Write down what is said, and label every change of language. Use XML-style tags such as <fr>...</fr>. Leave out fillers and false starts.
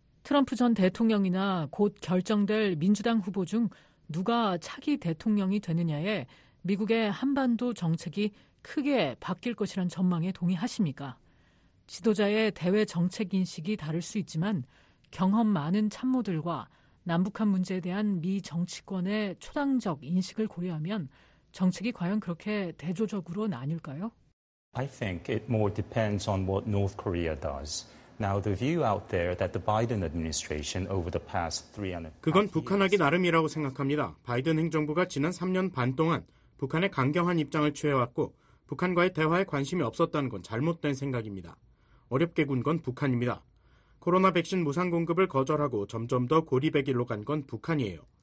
<ko>트럼프 전 대통령이나 곧 결정될 민주당 후보 중 누가 차기 대통령이 되느냐에 미국의 한반도 정책이 크게 바뀔 것이란 전망에 동의하십니까? 지도자의 대외 정책 인식이 다를 수 있지만 경험 많은 참모들과 남북한 문제에 대한 미 정치권의 초당적 인식을 고려하면 정책이 과연 그렇게 대조적으로 나뉠까요?</ko> <en>I think it more depends on what North Korea does. Now the view out there that the Biden administration over the past 3.5 years</en> <ko>그건 북한하기 나름이라고 생각합니다. 바이든 행정부가 지난 3년 반 동안 북한에 강경한 입장을 취해왔고 북한과의 대화에 관심이 없었다는 건 잘못된 생각입니다. 어렵게 군 건 북한입니다. 코로나 백신 무상 공급을 거절하고 점점 더 고리배길로 간 건 북한이에요.</ko>